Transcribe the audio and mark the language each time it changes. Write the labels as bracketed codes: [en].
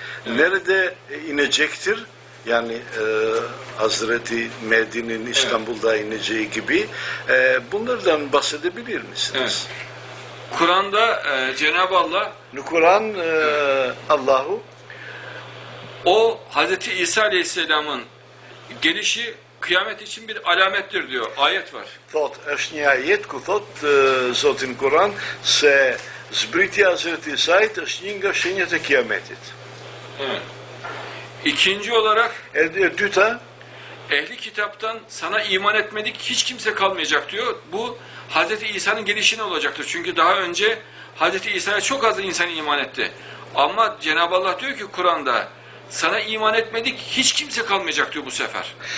[tr] Nerede inecektir? Yani Hazreti Mehdi'nin İstanbul'da ineceği gibi. Bunlardan bahsedebilir misiniz? Evet. Kur'an'da Cenab-ı Allah Kur'an Allah'u o Hazreti İsa Aleyhisselam'ın gelişi kıyamet için bir alamettir diyor. Ayet var. [sq] Thot është një ajet ku thot Zotin Kur'an se zbritja Hazreti İsa'yt është një nga shenjat e kıyametit. [tr] Evet. İkinci olarak [sq] dyta [tr] ehli kitaptan sana iman etmedik hiç kimse kalmayacak diyor. Bu Hazreti İsa'nın gelişine olacaktır. Çünkü daha önce Hazreti İsa'ya çok az insan iman etti. Ama Cenab-ı Allah diyor ki Kur'an'da sana iman etmedik hiç kimse kalmayacak diyor bu sefer.